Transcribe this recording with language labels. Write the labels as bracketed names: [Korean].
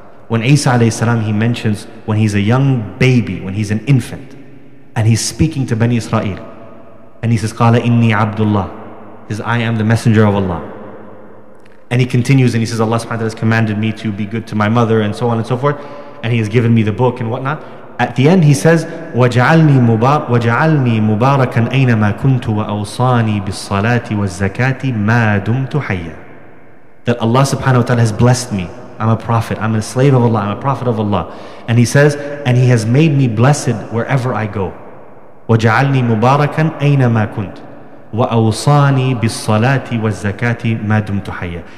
[English] When Isa alayhi salam, he mentions when he's a young baby, when he's an infant, and he's speaking to Bani Israel, and he says, [Arabic] Qala inni abdullah, [English] I am the messenger of Allah. And he continues and he says, Allah subhanahu wa ta'ala has commanded me to be good to my mother and so on and so forth. And He has given me the book and whatnot. At the end he says, [Arabic] وَجَعَلْنِي مُبَارَكًا أَيْنَمَا كُنْتُ وَأَوْصَانِي بِالصَّلَاةِ وَالزَّكَاةِ مَا دُمْتُ حَيًّا. [English] That Allah subhanahu wa ta'ala has blessed me. I'm a prophet. I'm a slave of Allah. I'm a prophet of Allah. And he says, and He has made me blessed wherever I go. [Arabic] وَجَعَلْنِي مُبَارَكًا أَيْنَمَا كُنْتُ وَأَوْصَانِي بِالصَّلَاةِ وَالزَّكَاةِ مَا دُمْتُ حَيَّا.